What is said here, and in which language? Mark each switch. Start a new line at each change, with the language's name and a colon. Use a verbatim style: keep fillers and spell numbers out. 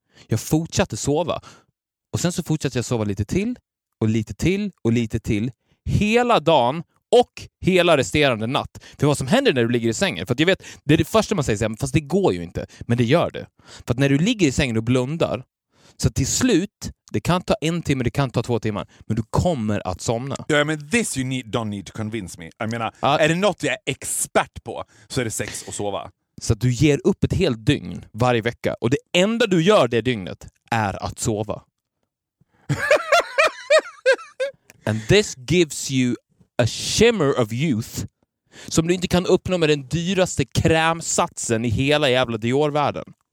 Swedish: Jag fortsatte sova. Och sen så fortsatte jag sova lite till och lite till och lite till. Hela dagen och hela resterande natt. För vad som händer när du ligger i sängen. För att jag vet, det är det första man säger så här, fast det går ju inte. Men det gör det. För att när du ligger i sängen och blundar, så till slut, det kan ta en timme, det kan ta två timmar. Men du kommer att somna. Ja, men
English: this you need, don't need to convince me.
Swedish: Jag menar, Ja. är det något jag är expert på så är det sex och sova. Så att du ger upp ett helt dygn varje vecka. Och det enda du gör det dygnet är att sova.
English: And this gives you a shimmer of youth
Swedish: som du inte kan uppnå med den dyraste krämsatsen i hela jävla Dior-världen.